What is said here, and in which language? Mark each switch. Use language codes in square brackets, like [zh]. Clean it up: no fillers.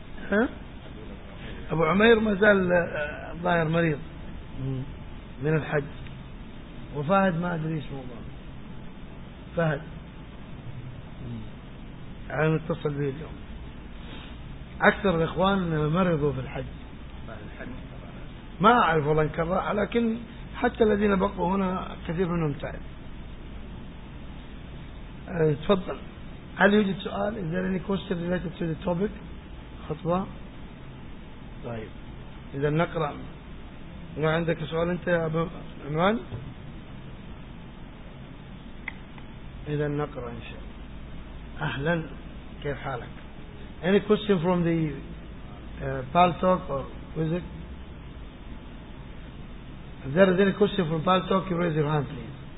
[ar] ها؟ أبو عمير ما زال الظاهر مريض من الحج، وفهد ما أدري شو موضوع فهد. أنا اتصل بي اليوم. أكثر الإخوان مرضوا في الحج. ما أعرف والله انكرر، لكن حتى الذين بقوا هنا كثير منهم تعب. تفضل. هل يوجد سؤال؟ [en] Is there any question related to the topic؟ [ar] خطبة. طيب. إذا نقرأ. ما عندك سؤال أنت يا أبو عمران؟ إذا نقرأ إن شاء الله. أهلا. كيف حالك؟ [en] Any question from the Paltalk or Wizik? If there is any question from Paltalk, you raise your hand, please.